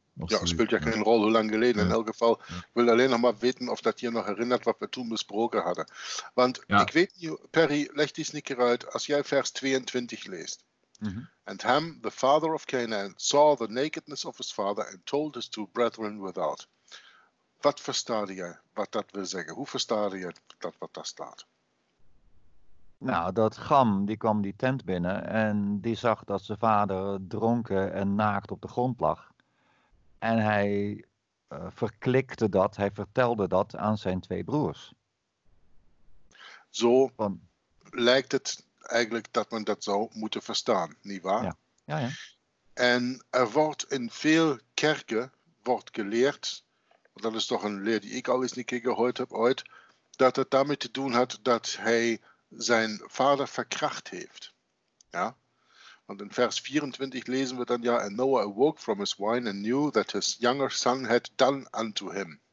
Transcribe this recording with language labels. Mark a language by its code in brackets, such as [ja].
[nl] Ja, speelt ja geen rol, hoe lang geleden. In elk geval, ik wil alleen nog maar weten of dat je nog herinnert wat we toen besproken hadden. Want ik weet niet, Perry, leg die snikker uit, als jij vers 22 leest. Mm-hmm. [en] And Ham, the father of Canaan, saw the nakedness of his father and told his two brethren without. [nl] Wat verstaat jij wat dat wil zeggen? Hoe verstaat jij dat wat daar staat? Nou, dat Ham, die kwam die tent binnen en die zag dat zijn vader dronken en naakt op de grond lag. En hij verklikte dat, hij vertelde dat aan zijn twee broers. Zo lijkt het eigenlijk dat men dat zou moeten verstaan, nietwaar? Ja. Ja, ja. En er wordt in veel kerken wordt geleerd, want dat is toch een leer die ik al eens een keer gehoord heb ooit, dat het daarmee te doen had dat hij... zijn vader verkracht heeft. Ja? Want in vers 24 lezen we dan ja, [en] and Noah awoke from his wine and knew that his younger son had done unto him.